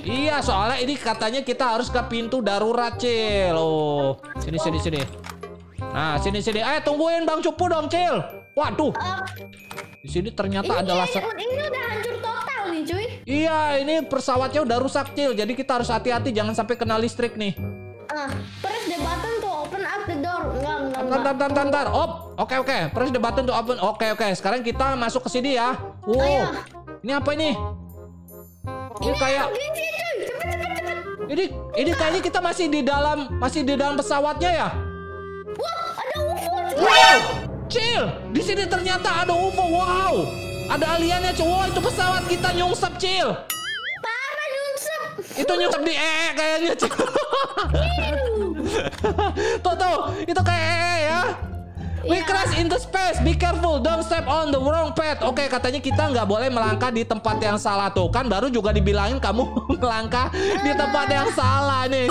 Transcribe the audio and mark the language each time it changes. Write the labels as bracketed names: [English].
[Indonesian] Iya, soalnya ini katanya kita harus ke pintu darurat, Cil. Oh, sini. Nah, sini. Eh, tungguin Bang Cupu dong, Cil. Waduh. Di sini ternyata ada laser. Ini udah hancur total nih, cuy. Iya, ini pesawatnya udah rusak, Cil. Jadi kita harus hati-hati, jangan sampai kena listrik nih. [English] Press the button to open up the door. [Indonesian] Tantar. Op. Oke. [English] Press the button to open. [Indonesian] Oke. Sekarang kita masuk ke sini ya. Wow. Ini apa ini? Ini kayak cepet. Ini kayaknya kita masih di dalam pesawatnya ya? Wow, ada UFO. Wow. Cil, di sini ternyata ada UFO. Wow. Ada aliennya, cuy. Wow, itu pesawat kita nyungsep, Cil. Parah nyungsep. Itu nyungsep di kayaknya, Cil. Tuh, itu kayak ya. [English] We crash into space, be careful, don't step on the wrong path. [Indonesian] Oke, katanya kita nggak boleh melangkah di tempat yang salah tuh. Kan baru juga dibilangin kamu melangkah di tempat yang salah nih.